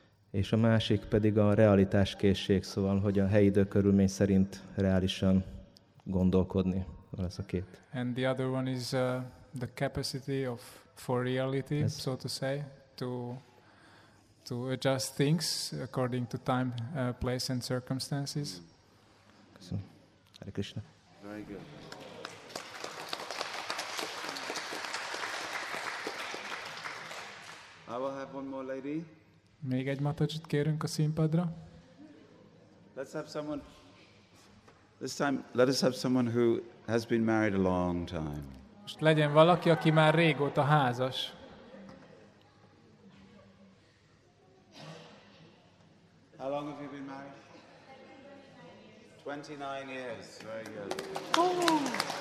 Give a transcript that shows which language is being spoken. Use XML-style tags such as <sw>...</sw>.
<hu>És a másik pedig a realitáskészség, szóval, hogy a helyi időkörülmény szerint reálisan gondolkodni. Van ez a két.</hu> <en>And the other one is the capacity of for reality, yes. So to say, to adjust things according to time, place and circumstances. Hare Krishna. Very good. I will have one more lady.</en> <hu>Még egy matacsit kérünk a színpadra.</hu> <en>Let's have someone. This time, let us have someone who has been married a long time.</en> <hu>Most legyen valaki, aki már régóta házas.</hu> <en>How long have you been married? 29 years. Very good.</en>